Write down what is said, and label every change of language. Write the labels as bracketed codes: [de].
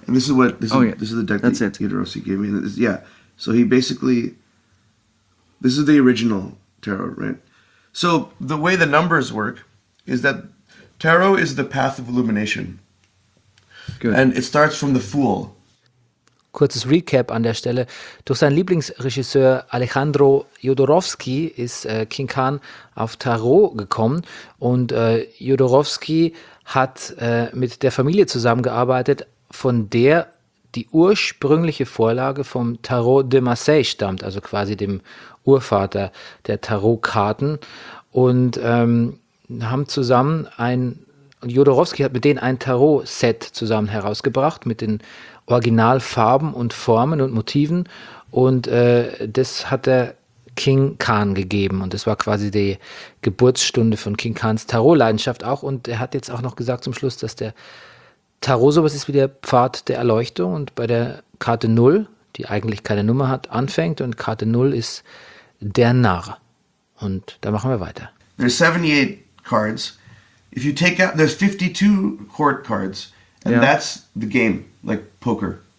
[en] And this is the deck that's that Jodorowsky gave me. So he basically... This is the original tarot, right? So the way the numbers work is that tarot is the path of illumination. Good. And it starts from the Fool. [de] Kurzes Recap an der Stelle. Durch seinen Lieblingsregisseur Alejandro Jodorowsky ist King Khan auf Tarot gekommen. Und Jodorowsky hat mit der Familie zusammengearbeitet, von der die ursprüngliche Vorlage vom Tarot de Marseille stammt, also quasi dem Urvater der Tarotkarten, und haben zusammen Jodorowsky hat mit denen ein Tarot-Set zusammen herausgebracht, mit den Originalfarben und Formen und Motiven, und das hat der King Khan gegeben, und das war quasi die Geburtsstunde von King Khans Tarot-Leidenschaft auch, und er hat jetzt auch noch gesagt zum Schluss, dass der Tarot sowas ist wie der Pfad der Erleuchtung, und bei der Karte 0, die eigentlich keine Nummer hat, anfängt, und Karte 0 ist der Narr. Und da machen wir weiter. [en] There's 78 cards. If you take out, there's 52 court cards. And that's the game, like poker.